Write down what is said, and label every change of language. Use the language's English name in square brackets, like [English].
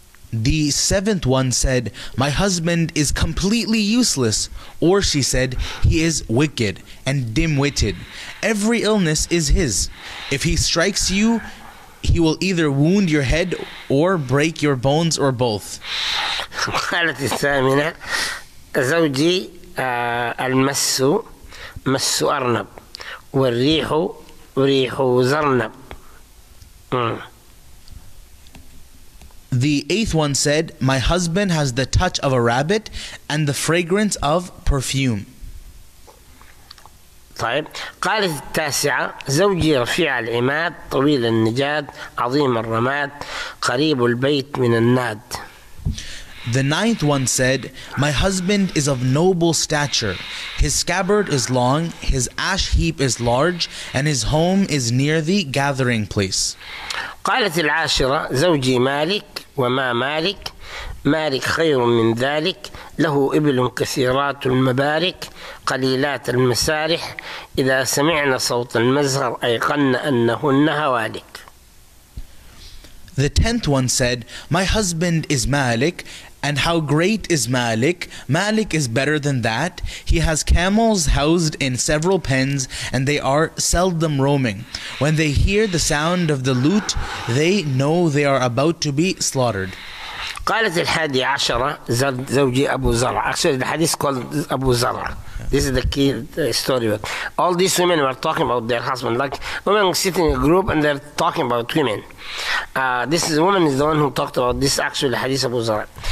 [English] The seventh one said, my husband is completely useless, or she said, he is wicked and dim-witted. Every illness is his. If he strikes you, he will either wound your head or break your bones or both. [Arabic] قالت الثامنة زوجي المس مس أرنب والريح ريح زرنب. [English] The eighth one said, my husband has the touch of a rabbit and the fragrance of perfume. [Arabic] طيب قالت التاسعة زوجي رفيع العماد طويل النجاد عظيم الرماد قريب البيت من الناد. [English] The ninth one said, my husband is of noble stature. His scabbard is long, his ash heap is large, and his home is near the gathering place. [Arabic] قالت العاشرة زوجي مالك وما مالك مالك خير من ذلك له إبل كثيرات المبارك قليلات المسارح إذا سمعنا صوت المزهر أيقن أنهن هوالك. [English] The tenth one said, my husband is Malik, and how great is Malik? Malik is better than that. He has camels housed in several pens, and they are seldom roaming. When they hear the sound of the lute, they know they are about to be slaughtered. [Arabic] قالت الحادي عشرة زوجي أبو زرع. [English] Actually, the hadith called Abu Zarra. This is the key story. All these women were talking about their husband. Like women sitting in a group and they're talking about women. This is the woman is the one who talked about this actual hadith Abu Zarr.